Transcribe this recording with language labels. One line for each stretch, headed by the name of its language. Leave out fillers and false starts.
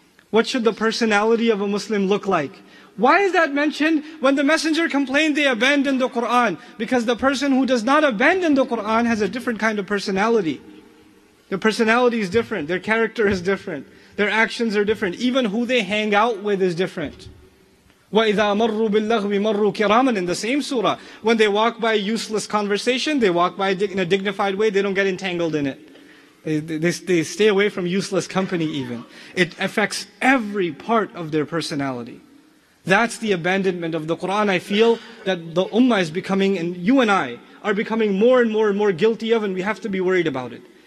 English: What should the personality of a Muslim look like? Why is that mentioned? When the Messenger complained, they abandoned the Qur'an. Because the person who does not abandon the Qur'an has a different kind of personality. Their personality is different, their character is different, their actions are different, even who they hang out with is different.
Arabic: وَإِذَا مَرُّوا بِاللَّغْوِ مَرُّوا كِرَامًا
English: in the same surah. When they walk by useless conversation, they walk by in a dignified way, they don't get entangled in it. They stay away from useless company even. It affects every part of their personality. That's the abandonment of the Qur'an. I feel that the ummah is becoming, and you and I, are becoming more and more and more guilty of, and we have to be worried about it.